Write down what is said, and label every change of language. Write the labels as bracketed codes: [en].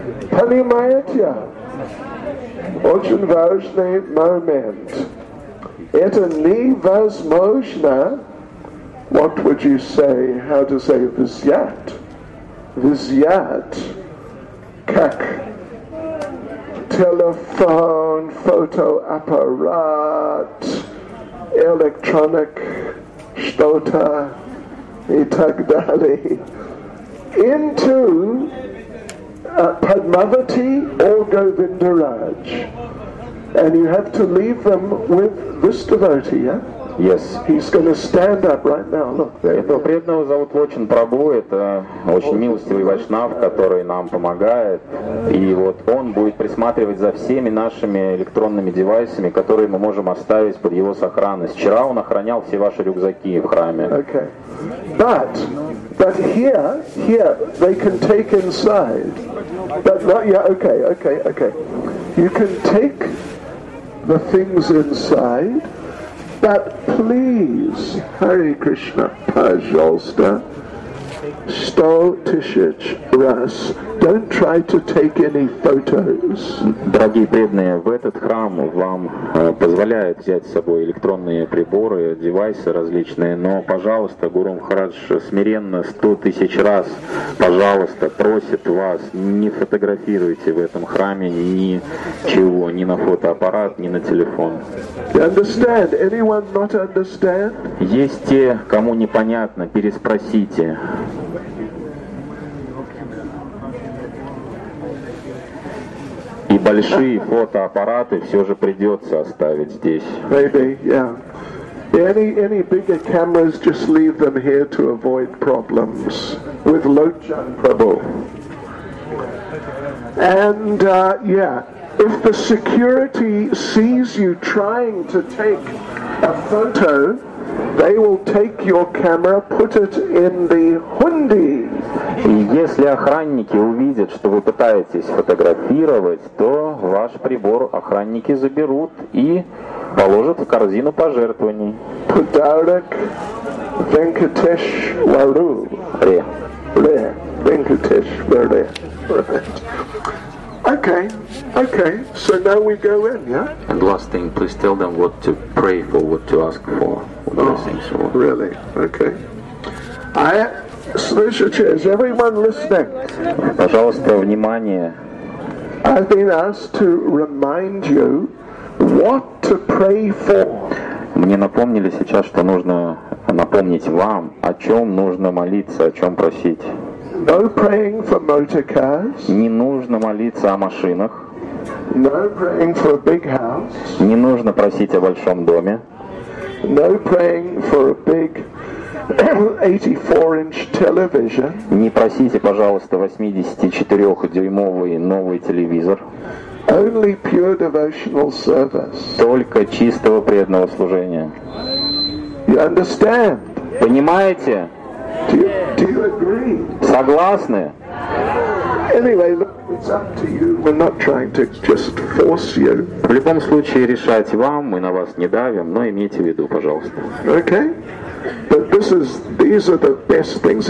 [ru] Понимаете? Очень важный момент. Это невозможно. [en] What would you say? How to say [ru] взять? Как? Telephone, фотоаппарат, electronic, что-то и так далее. [en] Into Padmavati or Govindaraj. And you have to leave them with this devotee, yeah? Yes. He's going to stand up right now. Look. [ru] Этого преданного зовут Лочин Прабу. Это очень милостивый вайшнав, который нам помогает. И вот он будет присматривать за всеми нашими электронными девайсами, которые мы можем оставить под его сохранность. Вчера он охранял все ваши рюкзаки в храме. [en] Okay. But here they can take inside. But not yet. Okay. You can take the things inside, but please, Hare Krishna, [ru] пожалуйста, [en] Sto Tishich Rus, don't try to take any photos. [ru] Дорогие преданные, в этот храм вам позволяют взять с собой электронные приборы, девайсы различные, но, пожалуйста, Гуру Махарадж смиренно 100 000 раз, пожалуйста, просит вас, не фотографируйте в этом храме ничего, ни на фотоаппарат, ни на телефон. [en] Understand? Anyone not understand? [ru] Есть те, кому непонятно, переспросите. И большие фотоаппараты все же придется оставить здесь. [en] Maybe, yeah. Any bigger cameras, just leave them here to avoid problems with Lochan Prabhu. And yeah, if the security sees you trying to take a photo, they will take your camera, put it in the hundi. [ru] И если охранники увидят, что вы пытаетесь фотографировать, то ваш прибор охранники заберут и положат в корзину пожертвований. [en] Pudarak Venkatesh Varu. Re. Re. Venkatesh Varu. Re. Okay, okay, so now we go in, yeah? And last thing, please tell them what to pray for, what to ask for, what blessings for. Oh, really? Okay. [ru] Слушайте, [en] is everyone listening? [ru] Пожалуйста, внимание. [en] I've been asked to remind you what to pray for. [ru] Мне напомнили сейчас, что нужно напомнить вам, о чем нужно молиться, о чем просить. [en] No praying for motor cars. [ru] Не нужно молиться о машинах. [en] No praying for a big house. [ru] Не нужно просить о большом доме. [en] No praying for a big 84-inch television. [ru] Не просите, пожалуйста, 84-дюймовый новый телевизор. [en] Only pure devotional service. [ru] Только чистого преданного служения. [en] You understand? [ru] Понимаете? [en] Do you agree? [ru] Согласны? [en] Anyway, look, it's up to you. We're not trying to just force you. [ru] В любом случае решать вам, мы на вас не давим, но имейте в виду, пожалуйста. [en] Okay. But these are the best things.